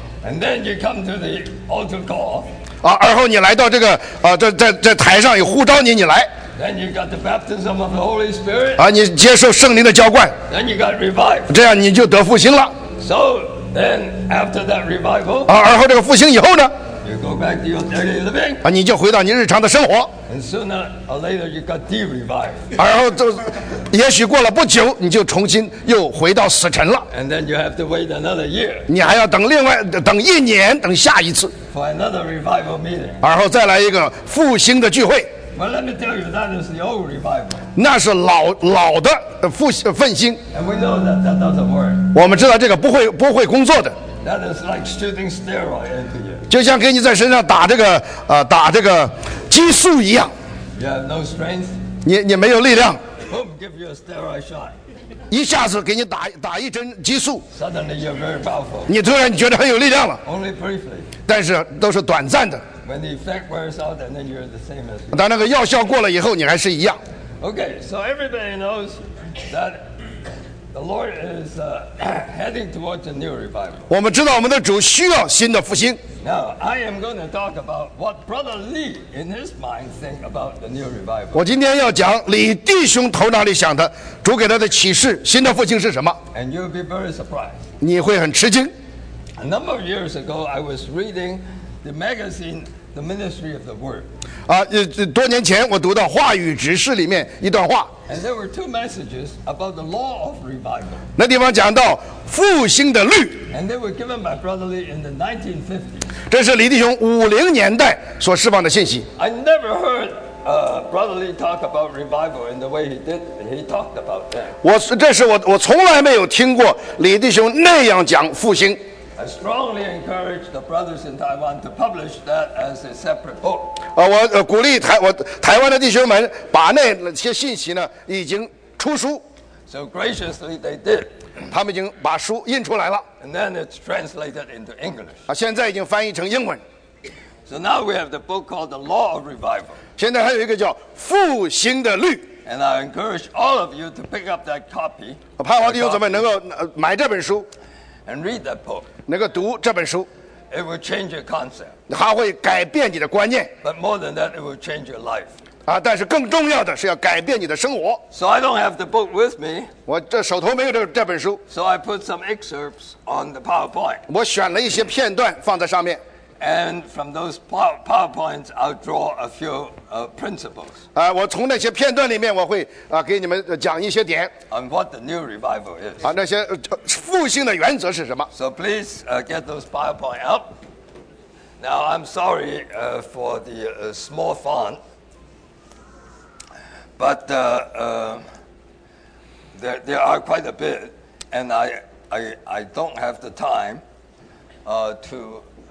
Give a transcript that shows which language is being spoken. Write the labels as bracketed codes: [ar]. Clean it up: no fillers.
[en] And then you come to the altar call. [zh] 而后你来到这个在台上有呼召你来。 [en] Then you got the baptism of the Holy Spirit. [zh] 你接受圣灵的浇灌。 [en] Then you got revived. [zh] 这样你就得复兴了。 [en] So Then after that revival, [zh] 而后这个复兴以后呢？ [en] You go back to your daily living. [zh] 你就回到你日常的生活。 [en] And sooner or later, you got de-revived. [zh] 而后就，也许过了不久，你就重新又回到死城了。 [en] And then you have to wait another year. [zh] 你还要等另外等一年，等下一次。 [en] For another revival meeting. [zh] 而后再来一个复兴的聚会。 [en] Well, let me tell you, that is the old revival. [zh] 那是老的复兴。 [en] And we know that that doesn't work. [zh] 我们知道这个不会工作的。 [en] That is like shooting steroids into you. [zh] 就像给你在身上打这个打这个激素一样。 [en] You have no strength. [zh] 你没有力量。 [en] Boom, give you a steroid shot. [zh] 一下子给你打一针激素。 [en] Suddenly you're very powerful. [zh] 你突然觉得很有力量了。 [en] Only briefly. [zh] 但是都是短暂的。 [en] When the effect wears out, and then you're the same as before. [zh] 当那个药效过了以后，你还是一样。 [en] Okay, so everybody knows that. The Lord is heading towards a new revival. [zh] 我们知道我们的主需要新的复兴。 [en] Now I am going to talk about what Brother Lee in his mind think about the new revival. [zh] 我今天要讲李弟兄头脑里想的主给他的启示，新的复兴是什么 [en] ？And you'll be very surprised. [zh] 你会很吃惊。 [en] A number of years ago, I was reading the magazine The Ministry of the Word. [zh] 多年前我读到《话语执事》里面一段话。 [en] And there were two messages about the law of revival. [zh] 那地方讲到复兴的律。 [en] And they were given by Brother Lee in the 1950s. [zh] 这是李弟兄50年代所释放的信息。 [en] I never heard Brother Lee talk about revival in the way he did. He talked about that. [zh] 我从来没有听过李弟兄那样讲复兴。 [en] I strongly encourage the brothers in Taiwan to publish that as a separate book. [zh] 我鼓励台湾的弟兄们把那些信息呢已经出书。 [en] So graciously they did. [zh] 他们已经把书印出来了。 [en] And then it's translated into English. [zh] 现在已经翻译成英文。 [en] So now we have the book called The Law of Revival. [zh] 现在还有一个叫复兴的律。 [en] And I encourage all of you to pick up that copy. [zh] 盼望弟兄姊妹能够买这本书。 [en] And read that book. [zh] 能够读这本书 [en] ，It will change your concept. [zh] 它会改变你的观念。 [en] But more than that, it will change your life. [zh] 但是更重要的是要改变你的生活。 [en] So I don't have the book with me. [zh] 我这手头没有这本书。 [en] So I put some excerpts on the PowerPoint. [zh] 我选了一些片段放在上面。 [en] And from those PowerPoints, I'll draw a few principles. [zh] 我从那些片段里面，我会给你们讲一些点。 [en] On what the new revival is. [zh] 那些复兴的原则是什么 [en] ？So please get those PowerPoint up. Now I'm sorry for the small font, but there are quite a bit, and I don't have the time to.